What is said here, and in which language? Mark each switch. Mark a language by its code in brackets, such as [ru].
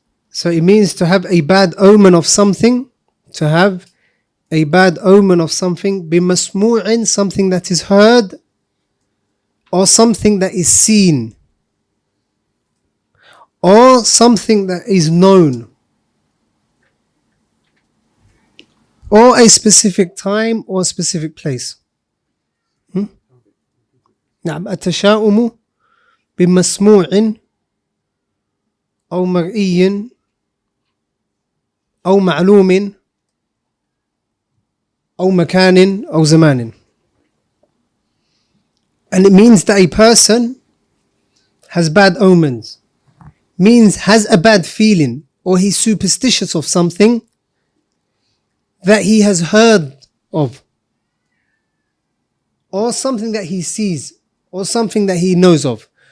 [en] So it means to have a bad omen of something, to have a bad omen of something, بمسموعٍ, something that is heard, or something that is seen, or something that is known, or a specific time or a specific place. [ar] نعم التشاؤم بمسموع أو مرئي أو معلوم أو مكان أو زمان. [en] And it means that a person has bad omens, means has a bad feeling, or he's superstitious of something that he has heard of, or something that he sees, or something that he knows of.